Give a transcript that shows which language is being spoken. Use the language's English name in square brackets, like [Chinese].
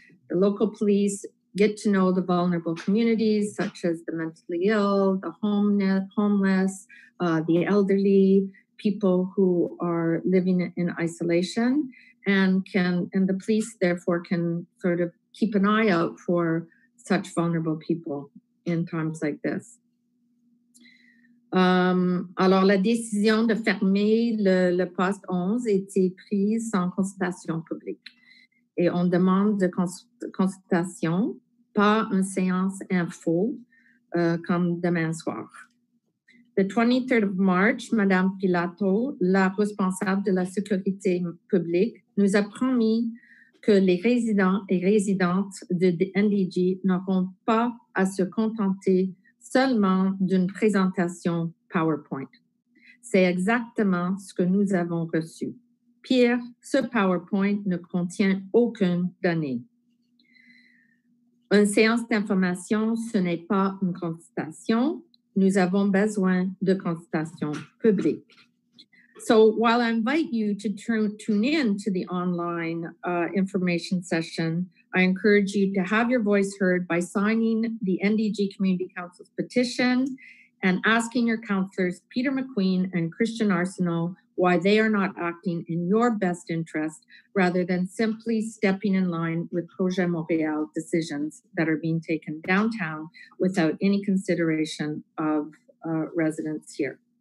[English] The local police get to know the vulnerable communities, such as the mentally ill, the homeless, the elderly, people who are living in isolation, and the police therefore can sort of keep an eye out for such vulnerable people in times like this. [French] Alors, la décision de fermer le poste 11 était prise sans consultation publique. Et on demande de consultation, pas une séance info comme demain soir. Le 23 mars, Madame Pilato, la responsable de la sécurité publique, nous a promis que les résidents et résidentes de NDG n'auront pas à se contenter seulement d'une présentation PowerPoint. C'est exactement ce que nous avons reçu. Pire, ce PowerPoint ne contient aucune donnée. Une séance d'information, ce n'est pas une consultation. Nous avons besoin de consultation publique. [English] So while I invite you to tune in to the online information session, I encourage you to have your voice heard by signing the NDG Community Council's petition and asking your councillors, Peter McQueen and Christian Arsenault, why they are not acting in your best interest rather than simply stepping in line with Projet Montréal decisions that are being taken downtown without any consideration of residents here.